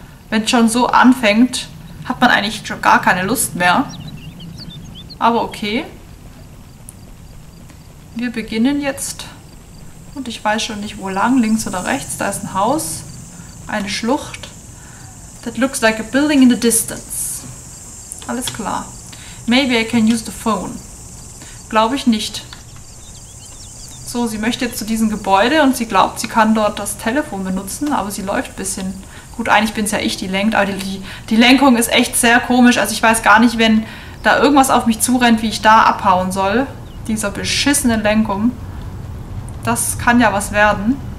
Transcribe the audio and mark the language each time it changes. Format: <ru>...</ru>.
<de>Wenn es schon so anfängt, hat man eigentlich schon gar keine Lust mehr. Aber okay. Wir beginnen jetzt. Und ich weiß schon nicht, wo lang, links oder rechts. Da ist ein Haus, eine Schlucht.</de> <en>That looks like a building in the distance.</en> <de>Alles klar.</de> <en>Maybe I can use the phone.</en> <de>Glaube ich nicht. So, sie möchte jetzt zu diesem Gebäude und sie glaubt, sie kann dort das Telefon benutzen, aber sie läuft ein bisschen. Gut, eigentlich bin es ja ich, die lenkt, aber die Lenkung ist echt sehr komisch. Also ich weiß gar nicht, wenn da irgendwas auf mich zurennt, wie ich da abhauen soll. Dieser beschissene Lenkung. Das kann ja was werden.</de>